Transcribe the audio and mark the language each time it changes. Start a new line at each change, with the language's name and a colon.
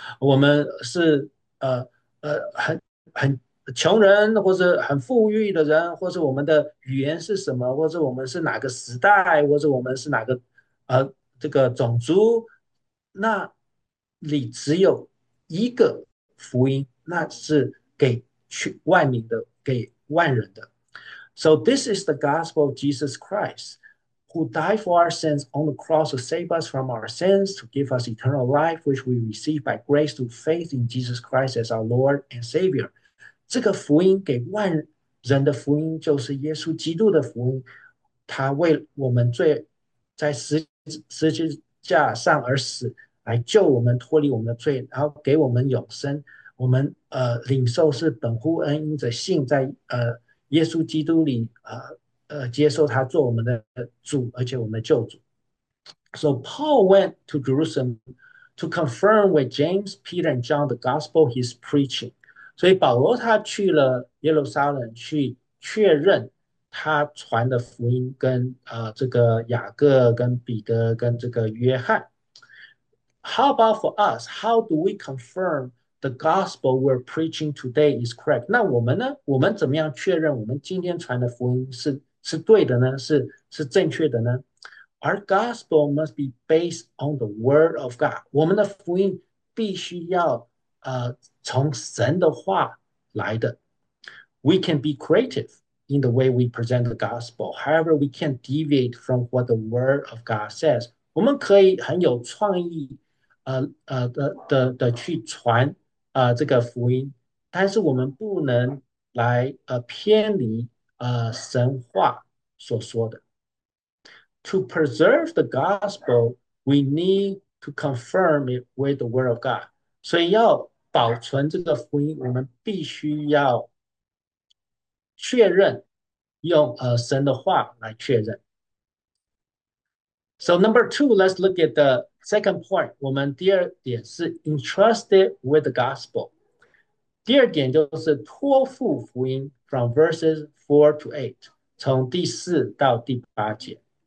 Chinese: 我们是很穷人，或者很富裕的人，或者我们的语言是什么，或者我们是哪个时代，或者我们是哪个这个种族，那里只有一个福音，那是给去万民的，给万人的。
English: So this is the gospel of Jesus Christ, who died for our sins on the cross to save us from our sins, to give us eternal life, which we receive by grace through faith in Jesus Christ as our Lord and Savior.
Chinese: 这个福音给万人的福音就是耶稣基督的福音，他为我们罪在十字架上而死，来救我们脱离我们的罪，然后给我们永生。我们领受是本乎恩，因着信在耶稣基督里，接受他做我们的主，而且我们的救主。
English: So Paul went to Jerusalem to confirm with James, Peter, and John the gospel he's preaching.
Chinese: 所以保罗他去了耶路撒冷去确认他传的福音跟这个雅各、跟彼得、跟这个约翰。
English: How about for us? How do we confirm the gospel we're preaching today is correct?
Chinese: 那我们呢？我们怎么样确认我们今天传的福音是对的呢？是正确的呢？
English: Our gospel must be based on the word of God.
Chinese: 我们的福音必须要从神的话来的。
English: We can be creative in the way we present the gospel. However, we can't deviate from what the word of God says.
Chinese: 我们可以很有创意，的去传这个福音，但是我们不能来偏离神话所说的。
English: To preserve the gospel, we need to confirm it with the word of God.
Chinese: 所以要保存这个福音，我们必须要确认，用神的话来确认。
English: So number two, let's look at the second point.
Chinese: 我们第二点是
English: entrusted with the gospel.
Chinese: 第二点就是托付福音
English: from verses 4 to 8，
Chinese: 从第四到第八节。